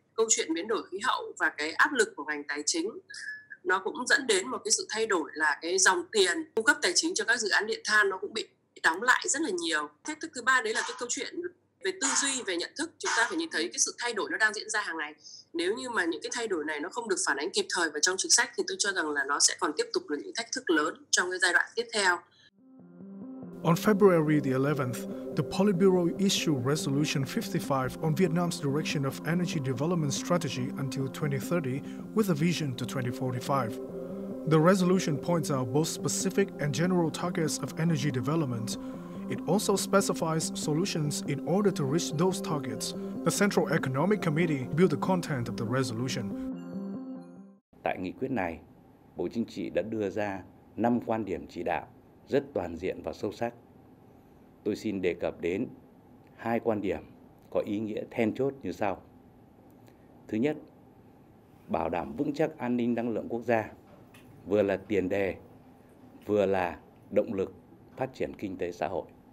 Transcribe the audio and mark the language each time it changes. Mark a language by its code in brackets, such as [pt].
[vi] Câu chuyện biến đổi khí hậu và cái áp lực của ngành tài chính nó cũng dẫn đến một cái sự thay đổi là cái dòng tiền cung cấp tài chính cho các dự án điện than nó cũng bị đóng lại rất là nhiều. Thách thức thứ ba đấy là cái câu chuyện về tư duy, về nhận thức. Chúng ta phải nhìn thấy cái sự thay đổi nó đang diễn ra hàng ngày. Nếu như mà những cái thay đổi này nó không được phản ánh kịp thời vào trong chính sách thì tôi cho rằng là nó sẽ còn tiếp tục là những thách thức lớn trong cái giai đoạn tiếp theo. [en] On February the 11th, the Politburo issued Resolution 55 on Vietnam's direction of energy development strategy until 2030 with a vision to 2045. The resolution points out both specific and general targets of energy development. It also specifies solutions in order to reach those targets. The Central Economic Committee built the content of the resolution. [vi] Tại nghị quyết này, Bộ Chính trị đã đưa ra 5 quan điểm chỉ đạo rất toàn diện và sâu sắc. Tôi xin đề cập đến 2 quan điểm có ý nghĩa then chốt như sau. Thứ nhất, bảo đảm vững chắc an ninh năng lượng quốc gia vừa là tiền đề, vừa là động lực phát triển kinh tế xã hội.